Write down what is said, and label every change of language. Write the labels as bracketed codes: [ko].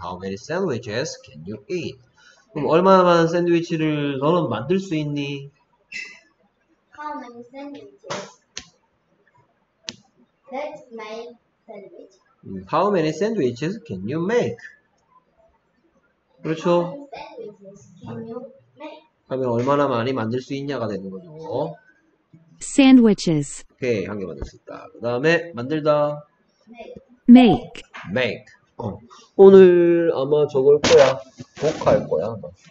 [en] How many sandwiches can you eat? [ko] 그럼 얼마나 많은 샌드위치를 너는 만들 수 있니? [en] How many sandwiches? Let's make sandwich. How many sandwiches can you make? [ko] 그렇죠. [en] How many sandwiches can you make? [ko] 하면 얼마나 많이 만들 수 있냐가 되는 거죠. [en] Sandwiches. [ko] 오케이, 한개 만들었습니다. 그 다음에 만들다. [en] Make. [ko] make. 오늘 아마 적을 거야. 복할 거야, 아마.